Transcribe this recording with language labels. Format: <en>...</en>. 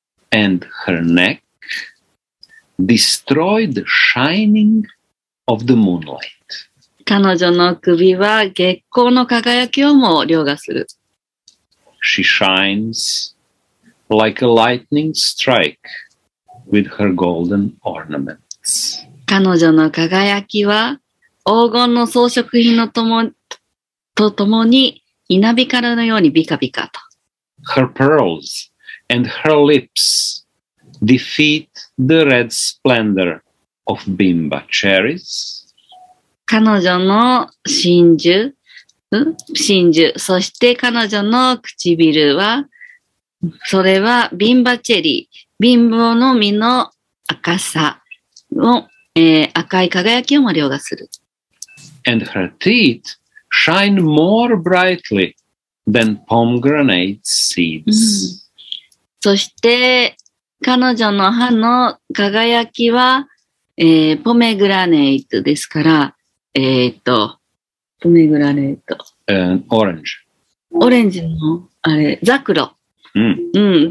<en>And her neck destroy the shining of the moonlight.</en> <ja>彼女の首は月光の輝きをも凌駕する。</ja> <en>She shines like a lightning strike with her golden ornaments.</en> <ja>彼女の輝きは黄金の装飾品のとともに稲光のようにビカビカと。</ja> <en>Her pearls and her lips defeat the red splendor of bimba cherries.</en> <ja>彼女の真珠。真珠、そして彼女の唇は、それはビンバチェリー、貧乏の実の赤さを、赤い輝きをも凌駕する。</ja> <en>And her teeth shine more brightly than pomegranate seeds.</en> <ja>そして彼女の歯の輝きは、ポメグラネイトですから、ポメグラネイト。オレンジ。オレンジの、あれ、ザクロ。うん。うん。</ja>